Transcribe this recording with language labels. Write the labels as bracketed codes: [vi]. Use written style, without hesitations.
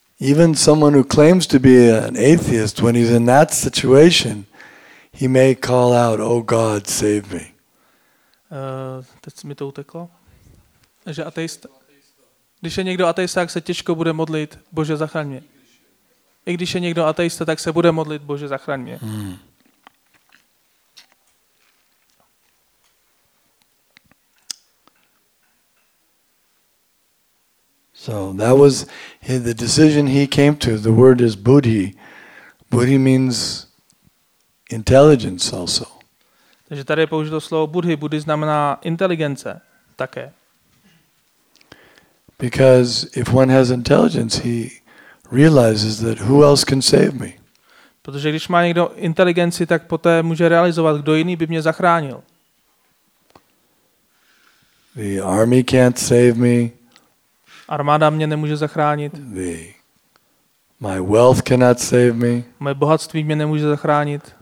[en] Even someone who claims to be an atheist, when he's in that situation, he may call out, "Oh God, save me." [cs] Teď mi to uteklo. Že ateista. Když je někdo ateista, tak se těžko bude modlit, Bože, zachraň mě. I když je někdo ateista, tak se bude modlit, Bože, zachraň mě. Hmm. [en] So that was the decision he came to. The word is buddhi. Buddhi means intelligence also. [cs] Takže tady je použito slovo buddhi. Buddhi znamená inteligence také. [en] Because if one has intelligence, he realizes that who else can save me? [cs] Protože když má někdo inteligenci, tak poté může realizovat, kdo jiný by mě zachránil. [en] The army can't save me. [cs] Armáda mě nemůže zachránit. [en] My wealth cannot save me. [cs] Moje bohatství mě nemůže zachránit.